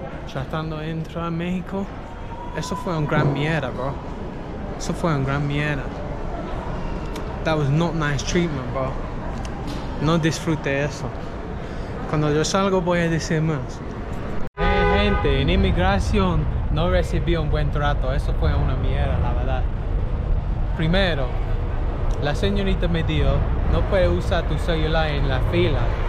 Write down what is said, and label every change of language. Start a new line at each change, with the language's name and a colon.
Spanish: Tratando de entrar a México. Eso fue un gran mierda, bro. Eso fue un gran mierda.
English: That was not nice treatment, bro.
Spanish: No disfrute eso. Cuando yo salgo voy a decir más. Hey, gente, en inmigración no recibí un buen trato. Eso fue una mierda, la verdad. Primero, la señorita me dijo, no puedes usar tu celular en la fila.